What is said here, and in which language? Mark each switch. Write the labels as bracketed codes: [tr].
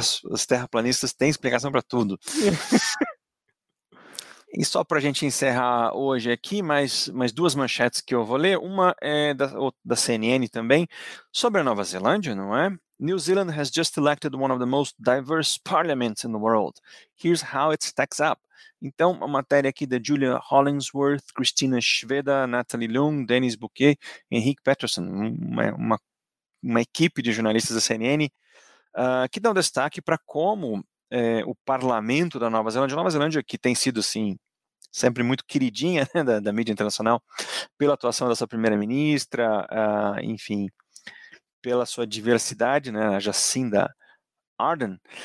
[pt] Os terraplanistas têm explicação para tudo. E só para a gente encerrar hoje aqui, mais duas manchetes que eu vou ler. Uma é da CNN também, sobre a Nova Zelândia, não é? [en] New Zealand has just elected one of the most diverse parliaments in the world. Here's how it stacks up. [pt] Então, a matéria aqui da Julia Hollingsworth, Cristina Schveda, Natalie Leung, Denis Bouquet, Henrique Patterson, uma equipe de jornalistas da CNN, que dão destaque para como o parlamento da Nova Zelândia, que tem sido, assim, sempre muito queridinha, né, da mídia internacional, pela atuação da sua primeira-ministra, enfim, pela sua diversidade, né, Jacinda Ardern,